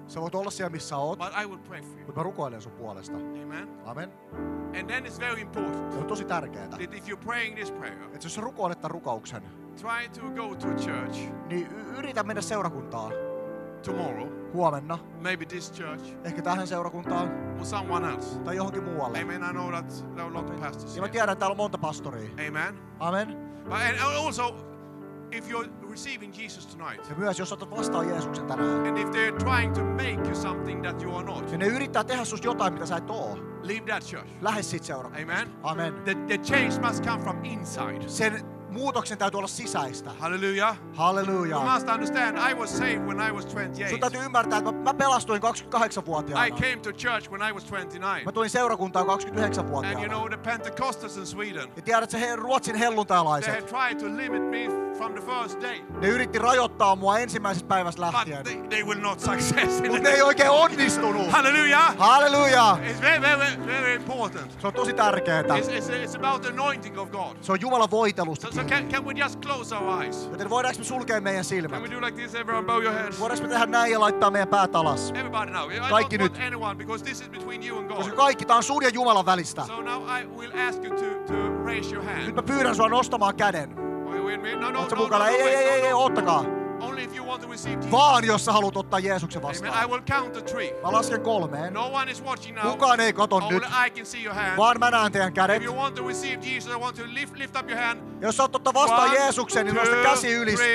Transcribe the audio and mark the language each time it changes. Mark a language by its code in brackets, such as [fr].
[fi] Sä voit olla siellä missä oot. [en] But I will pray for you. [fi] Mut mä rukoilen sun puolesta. [en] Amen. [fi] Amen. [en] And then it's very important. [fi] Se on tosi tärkeää. [en] That if you're praying this prayer. [fi] Et jos sä rukoilet tämän rukouksen. [en] Try to go to a church. [fi] Niin yritä mennä seurakuntaan. [en] Tomorrow. [fi] Huomenna. [en] Maybe this church. [fi] Ehkä tähän seurakuntaan. [en] Or someone else. [fi] Tai johonkin muualle. [en] Amen. I know that there are a lot of pastors. [fi] Ja mä tiedän, että täällä on monta pastoria. [en] Amen. [fi] Amen. [en] But and also, if you're receiving Jesus tonight. [fi] Ja myös jos otat vastaan Jeesuksen tänään. [en] And if they're trying to make you something that you are not. [fi] Ja ne yrittää tehdä susta jotain mitä sä et oo. [en] Leave that church. [fi] Lähde siitä seurakunnasta. [en] Amen. [fi] Amen. [en] The change must come from inside. [fi] Sen muutoksen täytyy olla sisäistä. [en] Hallelujah. [fi] Hallelujah. [en] You must understand, I was saved when I was 28. [fi] Sun täytyy ymmärtää, että mä pelastuin 28-vuotiaana. [en] I came to church when I was 29. [fi] Mä tulin seurakuntaan 29-vuotiaana. [en] And you know the Pentecostals in Sweden. [fi] Ja tiedät sä Ruotsin helluntailaiset. [en] They tried to limit me from the first day. [fi] Ne yritti rajoittaa mua ensimmäisestä päivästä lähtien. [en] But they will not success. [fi] Mut ne ei oikein onnistunut. [en] Hallelujah. [fi] Hallelujah. [en] It's very, very, very important. [fi] Se on tosi tärkeetä. [en] It's about the anointing of God. [fi] Se on Jumalan voitelusta. [en] So can we just close our eyes? [fi] Joten voidaanko me sulkea meidän silmät? [en] Can we do like this, everyone, bow your heads? [fi] Voidaanko me tehdä näin ja laittaa meidän päät alas? [en] Everybody now. [fi] Kaikki nyt. [en] Anyone, because this is between you and God. [fi] Koska kaikki, tämä on sun ja Jumalan välistä. [en] So now I will ask you to raise your hand. [fi] Nyt mä pyydän sua nostamaan käden. Oletko mukana? Ei, oottakaa. [en] Only if you want to receive Jesus. [fi] Vaan jos sä haluat ottaa Jeesuksen vastaan. [en] Amen. I will count to three. [fi] Mä lasken kolmeen. [en] No one is watching now. [fi] Kukaan ei katso nyt. [en] I can see your hand. [fi] Vaan mä näen teidän kädet. [en] If you want to receive Jesus, I want to lift up your hand. [fi] Jos sä haluat ottaa vastaan Jeesuksen, niin nosta käsi ylös.